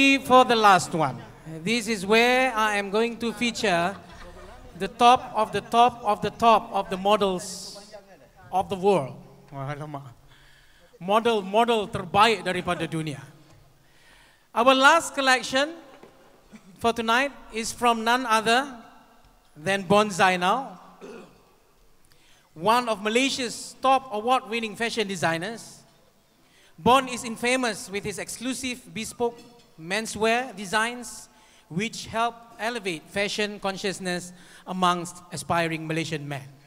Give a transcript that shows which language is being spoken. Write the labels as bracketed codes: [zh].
[en] For the last one, this is where I am going to feature the top of the top of the top of the models of the world. [ms] Model terbaik daripada dunia. [en] Our last collection for tonight is from none other than Bon Zainal, one of Malaysia's top award-winning fashion designers. Bon is infamous with his exclusive bespoke menswear designs, which help elevate fashion consciousness amongst aspiring Malaysian men.